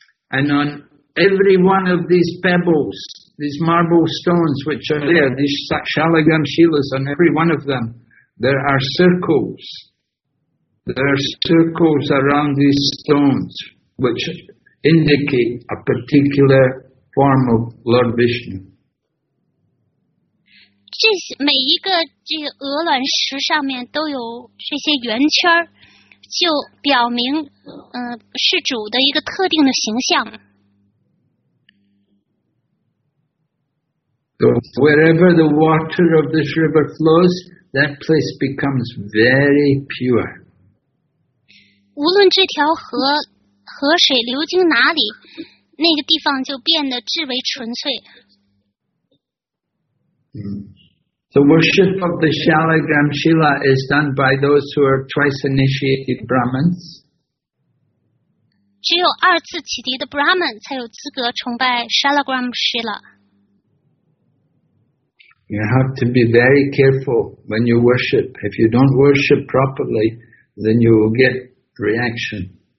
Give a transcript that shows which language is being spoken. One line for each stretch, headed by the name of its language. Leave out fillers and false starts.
English: And on every one of these pebbles, these marble stones which are there, these Shalagram Shilas, on every one of them, there are circles. There are circles around these stones which indicate a particular form of Lord Vishnu.
Chinese: 这每一个这个鹅卵石上面都有这些圆圈，就表明，是主的一个特定的形象。
English: So wherever the water of this river flows, that place becomes very pure.
Chinese: 无论这条河水流经哪里，那个地方就变得至为纯粹。
English: The worship of the Shalagram Shila is done by those who are twice initiated Brahmins.
Chinese: 只有二次启迪的 Brahmin 才有资格崇拜 Shalagram Shila.
English: You have to be very careful when you worship. If you don't worship properly, then you will get reaction.